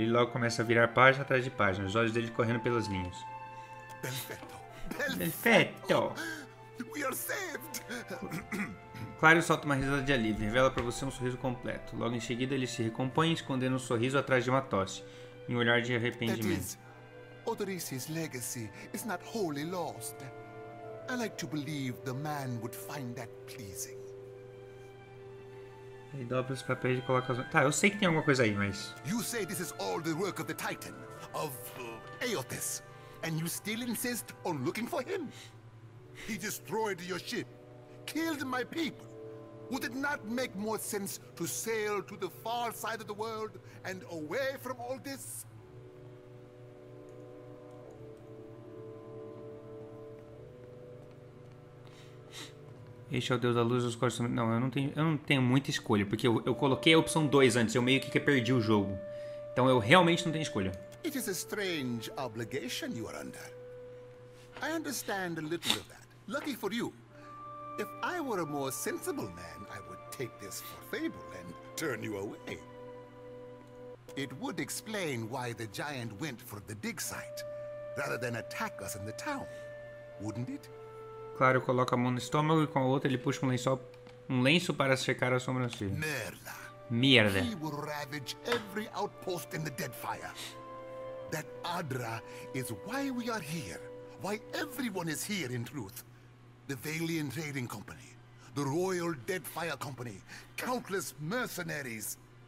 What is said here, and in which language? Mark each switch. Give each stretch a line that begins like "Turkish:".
Portuguese: Ele logo começa a virar página atrás de página, os olhos dele correndo pelas linhas. Belfetto. Belfetto.
English: We are saved.
Portuguese: Claro solta uma risada de alívio, revela para você um sorriso completo. Logo em seguida, ele se recompõe, escondendo um sorriso atrás de uma tosse, em um olhar de arrependimento.
English: Oderich's legacy is not wholly lost. I like to believe the man would find that pleasing.
Portuguese: Ele dobra os papéis e coloca as... Tá, eu sei que tem alguma coisa aí, mas...
English: You say this is all the work of the Titan, of Aeotis, and you still insist on looking for him? He destroyed your ship, killed my people. Would it not make more sense to sail to the far side of the world and away from all this?
Portuguese: Este é o Deus da Luz, os corpos... Não, eu não tenho muita escolha, porque eu coloquei a opção 2 antes, eu meio que perdi o jogo. Então eu realmente não tenho escolha. É uma estranha obrigação que você está sob. Eu entendo um pouco disso.
English: Lucky for you. If I were a more sensible man, I would take this for fable and turn you away. It would explain why the giant went for the dig site, rather than attack us in the town, wouldn't it?
Portuguese: Claro, coloca a mão no estômago e com a outra ele puxa um lenço para secar a sobrancelha. Merla. Merda.
English: He will ravage every outpost in the Deadfire. That Adra is why we are here, why everyone is here in truth. The Valian Trading Company, the Royal Deadfire Company, countless mercenaries.